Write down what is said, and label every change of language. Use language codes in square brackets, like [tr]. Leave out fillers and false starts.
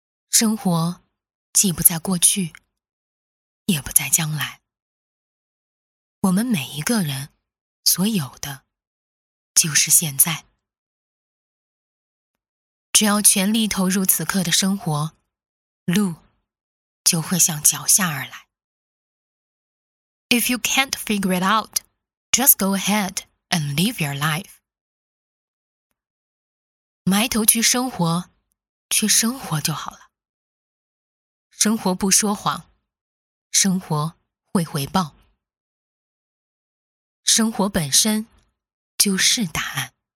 [zh] 生活既不在过去，也不在将来，我们每一个人所有的就是现在。只要全力投入此刻的生活，路就会向脚下而来。 [en] If you can't figure it out, just go ahead and live your life. [zh] 埋头去生活，去生活就好了。生活不说谎，生活会回报。生活本身就是答案。